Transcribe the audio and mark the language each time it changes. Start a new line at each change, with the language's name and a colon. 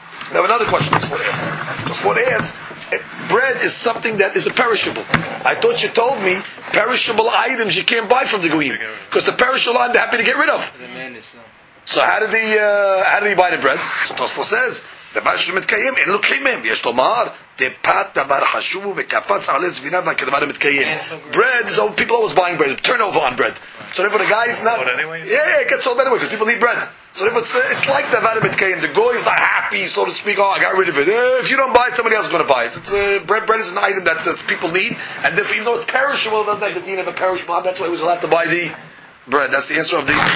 English: We have another question before it asks. Before it asks, bread is something that is a perishable. I thought you told me perishable items you can't buy from the Goyim. Because the perishable items they're happy to get rid of. So how did he buy the bread? So Tosfos says,
Hebrew: דבר שמתקיים, אין לו קיימם. יש לומר, דפת דבר חשוב וקפץ עלי זבינה וכדבר המתקיים.
English: Bread, so people always buying bread. Turnover on bread. So therefore the guy is not... Yeah, it gets sold anyway because people need bread. So it's like
Hebrew: דבר המתקיים.
English: The guy is not happy, so to speak. Oh, I got rid of it. If you don't buy it, somebody else is going to buy it. Bread is an item that people need. And if, even though it's perishable, it doesn't have the deen of a perishable. That's why he was allowed to buy the bread. That's the answer of the...